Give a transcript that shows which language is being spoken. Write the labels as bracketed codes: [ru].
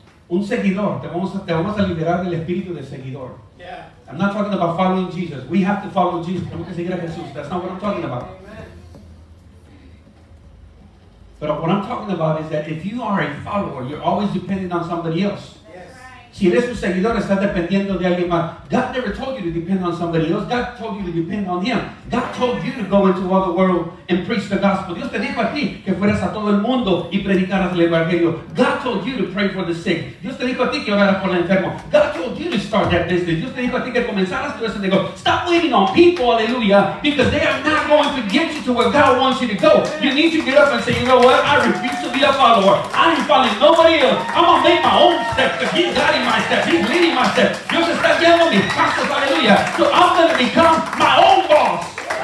[es] Un seguidor. Te vamos a liberar del espíritu de seguidor. [en] Yeah. I'm not talking about following Jesus. We have to follow Jesus. [es] Tenemos que seguir a Jesús. [en] That's not what I'm talking about. Amen. But what I'm talking about is that if you are a follower, you're always dependent on somebody else. Yes. [es] Si eres un seguidor, estás dependiendo de alguien más. [en] God never told you to depend on somebody else. God told you to depend on Him. God told you to go into all the world and preach the gospel. [es] Dios te dijo a ti que fueras a todo el mundo y predicaras el evangelio. [en] God told you to pray for the sick. [es] Dios te dijo a ti que oraras por el enfermo. [en] God told you to start that business. [es] Dios te dijo a ti que comenzaras tu ese negocio. [en] Stop waiting on people, aleluya, because they are not going to get you to where God wants you to go. You need to get up and say, you know what? I refuse to be a follower. I ain't following nobody else. I'm going to make my own steps because He's guiding my steps. He's leading my steps. [es] Dios está guiando mis pasos, aleluya. [en] So I'm going to become my own boss.